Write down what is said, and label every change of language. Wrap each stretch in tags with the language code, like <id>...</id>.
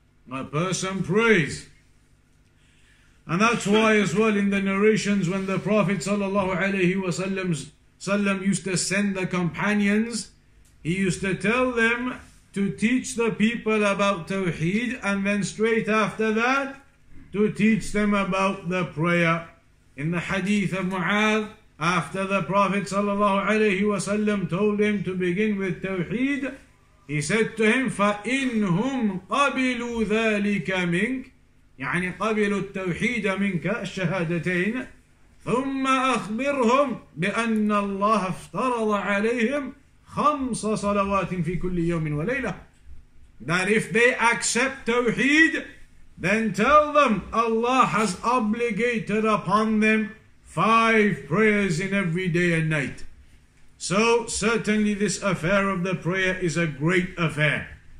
<en>A person prays. And that's why as well in the narrations when the Prophet ﷺ used to send the companions, he used to tell them to teach the people about Tawheed and then straight after that to teach them about the prayer. In the hadith of Mu'adh, after the Prophet ﷺ told him to begin with Tawheed, he said to him,</en> <ar>فَإِنْهُمْ قَبِلُوا ذَلِكَ مِنْكَ يعني قبل التوحيد منك الشهادتين ثم أخبرهم بأن الله افترض عليهم خمس صلوات في كل يوم وليلة.</ar> <en>That if they accept توحيد, then tell them Allah has obligated upon them five prayers in every day and night. So certainly this affair of the prayer is a great affair.</en>